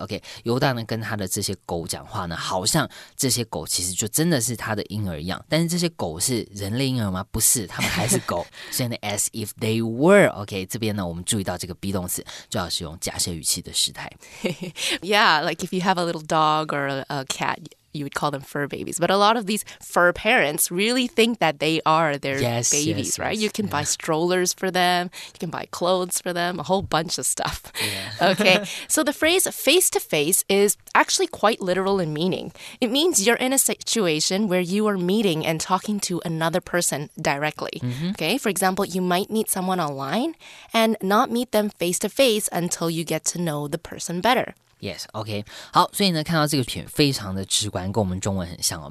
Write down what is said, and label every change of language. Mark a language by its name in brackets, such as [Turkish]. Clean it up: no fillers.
[Chinese] OK， 犹大呢跟他的这些狗讲话呢，好像这些狗其实就真的是他的婴儿一样。但是这些狗是人类婴儿吗？不是，他们还是狗。所以呢 ， [English] as if they were. [Chinese] OK， 这边呢，我们注意到这个 be 动词就要使用假设语气的时态。 [English] Yeah, like if you have a little dog or a cat. You would call them fur babies. But a lot of these fur parents really think that they are their yes, babies, yes, right? Yes, you can yeah. buy strollers for them. You can buy clothes for them. A whole bunch of stuff. Yeah. Okay. So the phrase face-to-face is actually quite literal in meaning. It means you're in a situation where you are meeting and talking to another person directly. Mm-hmm. Okay. For example, you might meet someone online and not meet them face-to-face until you get to know the person better. Yes, OK. [Chinese] 好，所以呢，看到这个片非常的直观，跟我们中文很像哦。